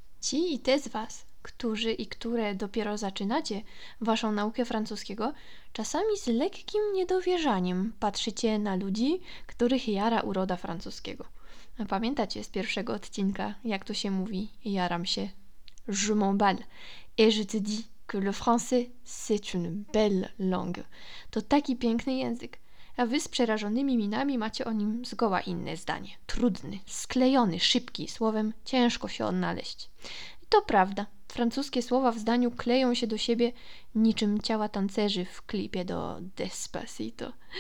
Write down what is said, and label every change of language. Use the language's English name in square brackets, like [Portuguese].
[Polish] Ci i te z Was, którzy i które dopiero zaczynacie Waszą naukę francuskiego, czasami z lekkim niedowierzaniem patrzycie na ludzi, których jara uroda francuskiego. Pamiętacie z pierwszego odcinka, jak to się mówi, jaram się. [French] Je m'emballe et je te dis que le français c'est une belle langue. [Polish] To taki piękny język, a Wy z przerażonymi minami macie o nim zgoła inne zdanie. Trudny, sklejony, szybki, słowem ciężko się odnaleźć. I to prawda, francuskie słowa w zdaniu kleją się do siebie niczym ciała tancerzy w klipie do Despacito.